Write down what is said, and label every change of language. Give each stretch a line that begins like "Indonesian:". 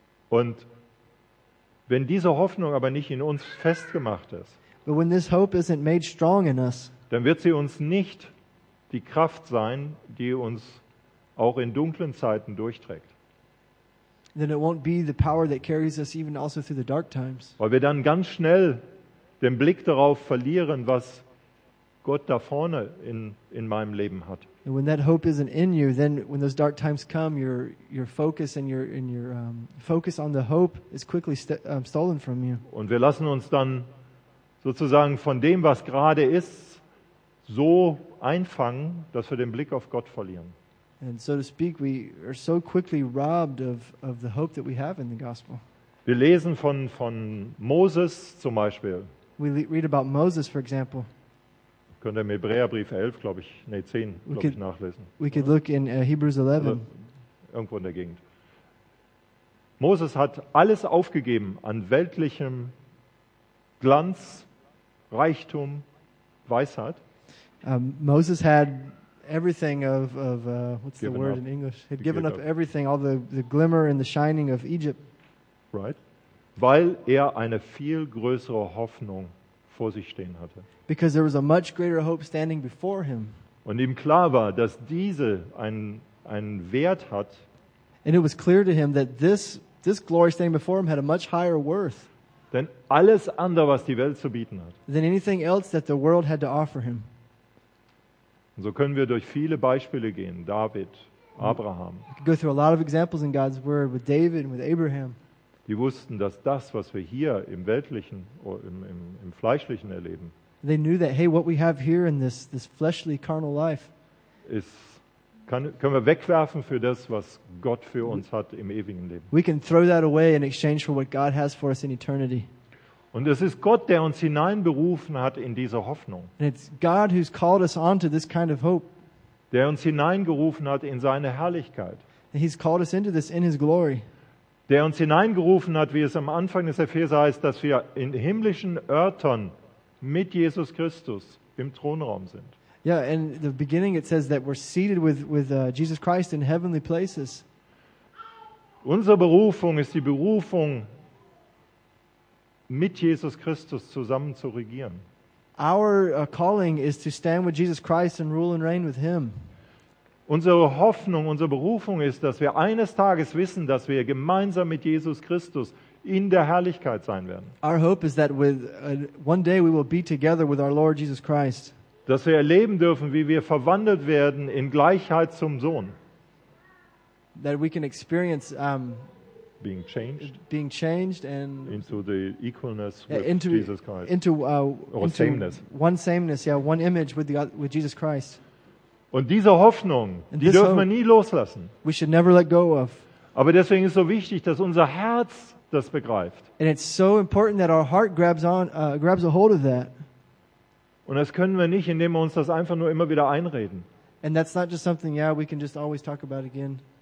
German: Und wenn diese Hoffnung aber nicht in uns festgemacht ist,
English: But when this hope isn't made strong in us,
German: dann wird sie uns nicht die Kraft sein, die uns auch in dunklen Zeiten durchträgt.
English: Then it won't be the power that carries us even also through the dark times.
German: Weil wir dann ganz schnell den Blick darauf verlieren, was Gott da vorne in meinem Leben hat.
English: And when that hope isn't in you, then when those dark times come, your focus and your focus on the hope is quickly stolen from you.
German: Und wir lassen uns dann sozusagen von dem, was gerade ist, so einfangen, dass wir den Blick auf Gott verlieren.
English: And so to speak, we are so quickly robbed of the hope that we have in the gospel.
German: Wir lesen von Moses zum Beispiel.
English: We read about Moses, for example.
German: Könnt ihr im Hebräerbrief 11, glaube ich, nee, 10, glaube ich, nachlesen.
English: We could look in Hebrews 11.
German: Irgendwo in der Gegend. Moses hat alles aufgegeben an weltlichem Glanz, Reichtum, Weisheit.
English: Moses had everything what's given the word up. In English? He'd given up everything, all the glimmer and the shining of Egypt. Right.
German: Weil er eine viel größere Hoffnung vor sich stehen hatte.
English: Because there was a much greater hope standing before him.
German: Und ihm klar war, dass diese einen Wert hat.
English: And it was clear to him that this glory standing before him had a much higher worth.
German: Denn alles andere, was die Welt zu bieten hat.
English: Than anything else that the world had to offer him.
German: Und so können wir durch viele Beispiele gehen.
English: David, Abraham. We could go through a lot of examples in God's word with David and with Abraham.
German: Die wussten, dass das, was wir hier im weltlichen oder im fleischlichen erleben,
English: they knew that, hey, what we have here in this fleshly carnal life
German: können wir wegwerfen für das, was Gott für uns hat im ewigen Leben.
English: We can throw that away in exchange for what God has for us in eternity.
German: Und es ist Gott, der uns hineinberufen hat in diese Hoffnung.
English: And it's God who's called us onto this kind of hope.
German: Der uns hineingerufen hat in seine Herrlichkeit.
English: And he's called us into this in his glory.
German: Der uns hineingerufen hat, wie es am Anfang des Epheser heißt, dass wir in himmlischen Örtern mit Jesus Christus im Thronraum sind.
English: Yeah, and in the beginning it says that we're seated with Jesus Christ in heavenly places.
German: Unsere Berufung ist die Berufung, mit Jesus Christus zusammen zu regieren.
English: Our calling is to stand with Jesus Christ and rule and reign with him.
German: Unsere Hoffnung, unsere Berufung ist, dass wir eines Tages wissen, dass wir gemeinsam mit Jesus Christus in der Herrlichkeit sein werden.
English: Our hope is that with one day we will be together with our Lord Jesus Christ.
German: Dass wir erleben dürfen, wie wir verwandelt werden in Gleichheit zum Sohn.
English: That we can experience being changed and into the equalness with into Jesus Christ. Into sameness. One sameness, yeah, one image with Jesus Christ.
German: Und diese Hoffnung, and die dürfen wir nie loslassen.
English: We should never let go of.
German: Aber deswegen ist so wichtig, dass unser Herz das begreift.
English: And it's so important that our heart grabs a hold of that.
German: Und das können wir nicht, indem wir uns das einfach nur immer wieder einreden.
English: And that's not just something, yeah, we can just always talk about again.